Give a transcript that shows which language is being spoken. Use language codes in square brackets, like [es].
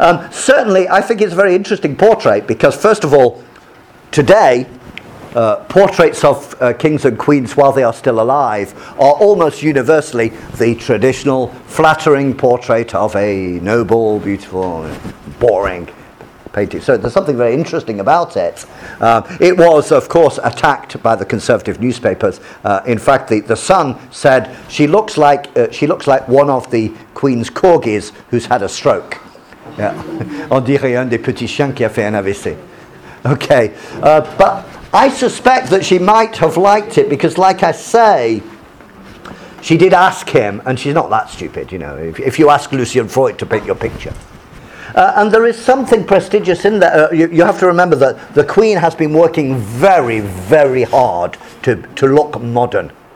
[en] Certainly, I think it's a very interesting portrait because, first of all, today, portraits of kings and queens while they are still alive are almost universally the traditional flattering portrait of a noble, beautiful, boring painting. So there's something very interesting about it. It was, of course, attacked by the conservative newspapers. In fact, the Sun said she looks like one of the Queen's corgis who's had a stroke. [fr] Yeah. On dirait un des petits chiens qui a fait un AVC. [en] Okay. But I suspect that she might have liked it because, like I say, she did ask him, and she's not that stupid, you know, if you ask Lucian Freud to paint your picture. And there is something prestigious in that. You have to remember that the Queen has been working very, very hard to look modern.